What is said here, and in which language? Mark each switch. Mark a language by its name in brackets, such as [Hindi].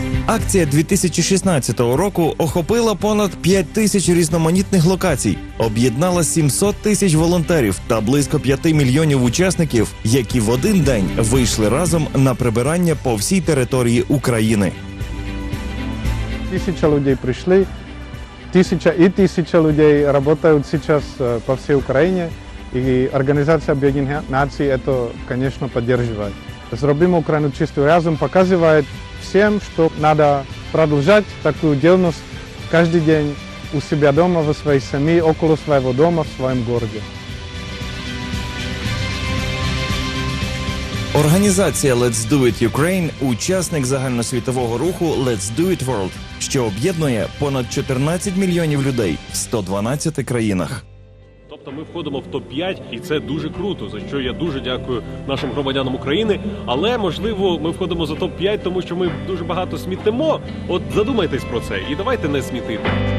[Ukrainian] Акція 2016 року охопила понад 5 тисяч різноманітних локацій, об'єднала 700 тисяч волонтерів та близько 5 мільйонів учасників, які в один день вийшли разом на прибирання по всій території України. Тисяча людей прийшли, тисяча і тисяча людей працюють зараз по всій Україні, і Організація Об'єднаних Націй це, звісно, підтримує. Зробимо Україну чистою разом, показує [Russian] всем, что надо продолжать такую деятельность каждый день у себя дома, в своей семье, около своего дома, в своем городе. [Ukrainian] Організація Let's Do It Ukraine – учасник загальносвітового руху Let's Do It World, що об'єднує понад 14 мільйонів людей в 112 країнах. Тобто ми входимо в топ-5, і це дуже круто, за що я дуже дякую нашим громадянам України. Але, можливо, ми входимо за топ-5, тому що ми дуже багато смітимо. От задумайтесь про це і давайте не смітити.